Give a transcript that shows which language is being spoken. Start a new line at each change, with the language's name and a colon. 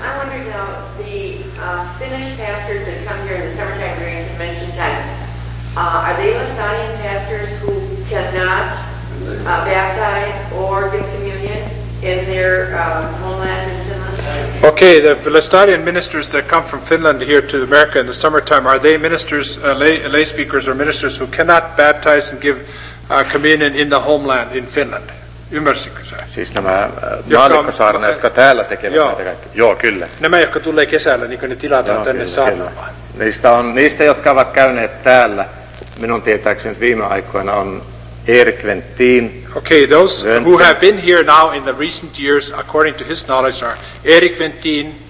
English: I'm wondering now, the Finnish pastors that come here in the summertime during convention time, are they Lestadian pastors who cannot baptize or give communion in their homeland? Okay, the Lestadian ministers that come from Finland here to America in the summertime, are they ministers, lay speakers or ministers who cannot baptize and give communion in the homeland in Finland?
Finnish: Ymmärsikö sä? Siis nämä maallikkosaarnat, jotka täällä tekevät näitä kaikkea. Joo, kyllä. Nämä, jotka tulee kesällä, niin kuin ne tilataan tänne saarnaamaan. Niistä, jotka ovat käyneet täällä, minun tietääkseni viime aikoina on Erik Venttiin.
English: Okay, those who have been here now in the recent years, according to his knowledge, are Erik Venttiin